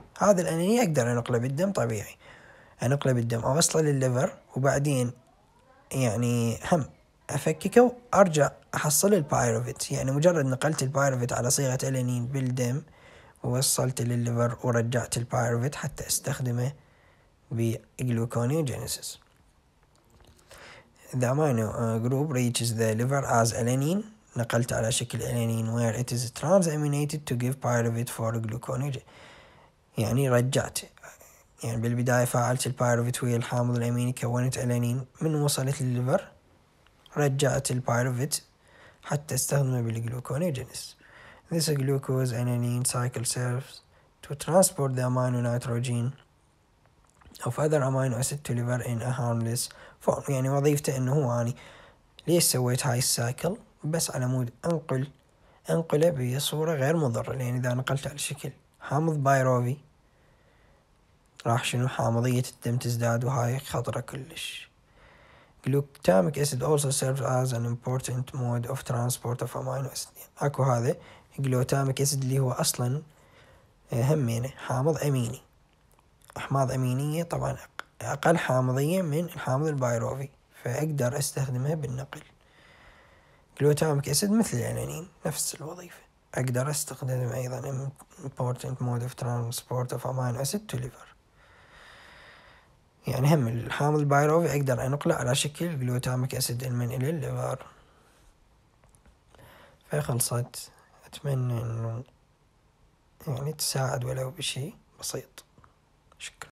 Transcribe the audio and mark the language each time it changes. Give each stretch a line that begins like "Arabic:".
Arabic: هذا الأنين أقدر أنقله بالدم طبيعي، أنقله بالدم أوصله للليفر، وبعدين يعني هم أفككه وأرجع أحصل البايروفيت. يعني مجرد نقلت البايروفيت على صيغة الأنين بالدم ووصلت للليفر ورجعت البايروفيت حتى أستخدمه بجلوكونيوجينيسيس.
English: The amino group reaches the liver as alanine.
Arabic: نقلت على شكل الأنين
English: where it is transaminated to give pyruvate for gluconeogenesis.
Arabic: يعني رجعت، يعني بالبداية فعلت البايروفيت ويا الحامض الأميني كونت ألانين، من وصلت للليفر رجعت البايروفيت حتى استخدمه بالجلوكونيوجينيس.
English: This glucose alanine cycle serves to transport the amino nitrogen of other amino acid to liver in a harmless form.
Arabic: يعني وظيفته إنه هو يعني ليش سويت هاي السايكل؟ بس على مود أنقله بصورة غير مضرة، لأن إذا نقلت على شكل حامض بايروفي راح شنو حامضية الدم تزداد، وهاي خطرة كلش.
English: glutamic acid also serves as an important mode of transport of amino acid.
Arabic: اكو هذا glutamic acid اللي هو اصلا همينة حامض اميني، احماض امينية طبعا اقل حامضية من الحامض البايروفي، فاقدر استخدمها بالنقل.
English: glutamic acid
Arabic: مثل الانين نفس الوظيفة، أقدر أستخدم أيضا
English: important mode of transport of amino acid to liver.
Arabic: يعني هم الحامض البايروفي أقدر أنقله على شكل glutamic acid من إلى الليفر. فخلصت، أتمنى إنه يعني تساعد ولو بشيء بسيط. شكرا.